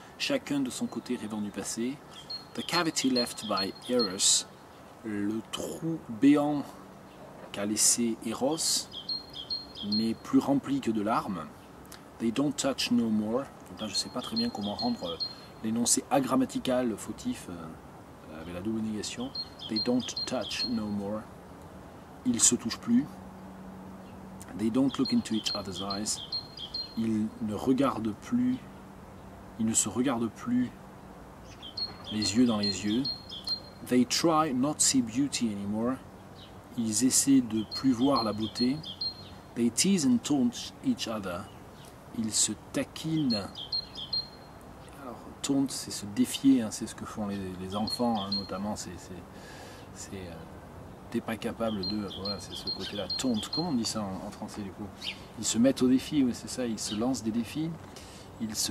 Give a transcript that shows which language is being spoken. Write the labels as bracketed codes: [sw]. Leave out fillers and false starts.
[fr] Chacun de son côté rêvant du passé. [en] The cavity left by Eros, [fr] le trou béant qu'a laissé Eros, n'est plus rempli que de larmes. [en] They don't touch no more. [fr] Donc là, je ne sais pas très bien comment rendre l'énoncé agrammatical fautif avec la double négation. [en] They don't touch no more. [fr] Ils ne se touchent plus. [en] They don't look into each other's eyes. [fr] Ils ne regardent plus. Ils ne se regardent plus les yeux dans les yeux. [en] They try not to see beauty anymore. [fr] Ils essaient de plus voir la beauté. [en] They tease and taunt each other. [fr] Ils se taquinent. Alors, taunt, c'est se défier, hein, c'est ce que font les enfants, hein, notamment. T'es pas capable de. Voilà, c'est ce côté-là. Taunt, comment on dit ça en français du coup? Ils se mettent au défi, oui, c'est ça, ils se lancent des défis. Ils se.